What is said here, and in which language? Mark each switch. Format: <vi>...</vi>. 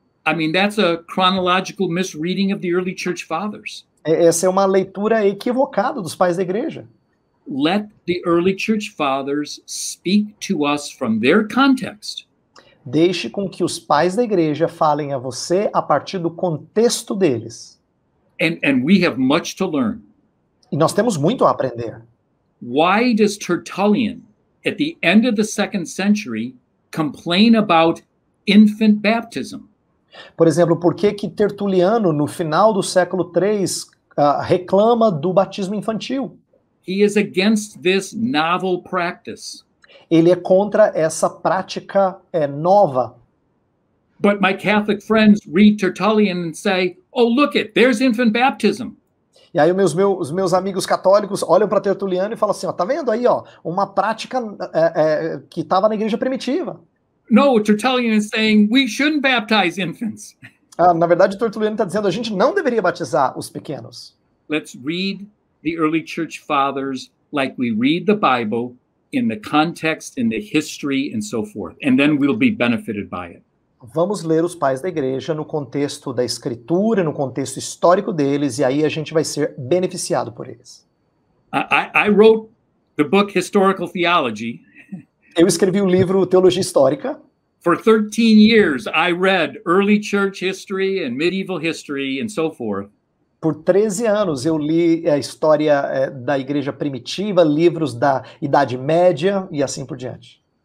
<en>I mean, that's a chronological misreading of the early church fathers.</en> <pt>Essa é uma leitura equivocada dos pais da igreja.</pt> <en>Let the early church fathers speak to us from their context.</en> <pt>Deixe com que os pais da igreja falem a você a partir do contexto deles.</pt> <en>And we have much to learn.</en> <pt>E nós temos muito a aprender.</pt> <en>Why does Tertullian, at the end of the second century, complain about infant baptism?</en> <pt>Por exemplo, por que que Tertuliano, no final do século III, reclama do batismo infantil?</pt> <en>He is against this novel practice.</en> <pt>Ele é contra essa prática nova.</pt> <en>But my Catholic friends read Tertullian and say, "Oh, look it, there's infant baptism."</en> <pt>E aí os meus amigos católicos olham para Tertuliano e falam assim, ó, tá vendo aí, ó, uma prática que estava na igreja primitiva.</pt> <en>No, Tertullian is saying we shouldn't baptize infants.</en> <pt>Ah, na verdade, Tertuliano está dizendo a gente não deveria batizar os pequenos.</pt> <en>Let's read the early church fathers like we read the Bible in the context, in the history, and so forth, and then we'll be benefited by it.</en> <pt>Vamos ler os pais da igreja no contexto da escritura, no contexto histórico deles, e aí a gente vai ser beneficiado por eles.</pt> <en>I wrote the book Historical Theology.</en> <pt>Eu escrevi o livro Teologia Histórica.</pt> <en>For 13 years, I read early church history and medieval history and so forth.</en> <pt>Por 13 anos eu li a história da Igreja Primitiva, livros da Idade Média e assim por diante.</pt>